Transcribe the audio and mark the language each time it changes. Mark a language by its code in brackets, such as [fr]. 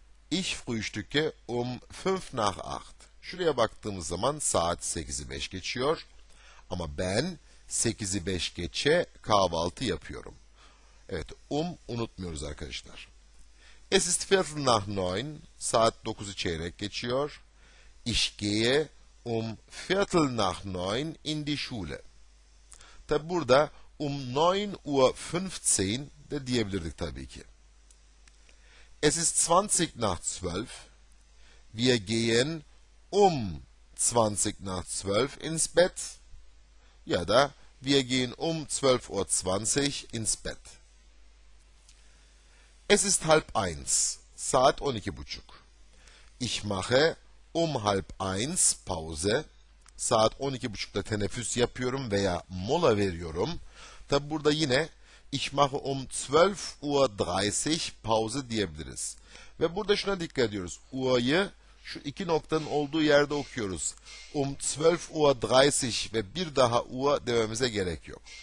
[de] Ich frühstücke 5 nach 8. [tr] Şuraya baktığımız zaman saat 8'i 5 geçiyor. Ama ben 8'i 5 geçe kahvaltı yapıyorum. Evet, unutmuyoruz arkadaşlar. [de] Es ist viertel nach neun, [tr] saat 9'u çeyrek geçiyor. [de] Ich gehe viertel nach neun in die Schule. [tr] Tabi burada [de] neun Uhr [tr] 15 de diyebilirdik tabii ki. [de] Es ist 20 nach 12. Wir gehen 20 nach 12 ins Bett. [tr] Ya da [de] wir gehen 12:20 ins Bett. Es ist halb eins. [tr] Saat 12:30. [de] Ich mache halb eins Pause. [tr] Saat 12:30'da teneffüs yapıyorum veya mola veriyorum. Tabi burada yine [de] ich mache 12:30 Pause [tr] diyebiliriz. Ve burada şuna dikkat ediyoruz. U'yu şu iki noktanın olduğu yerde okuyoruz. 12:30 ve bir daha U'a dememize gerek yok.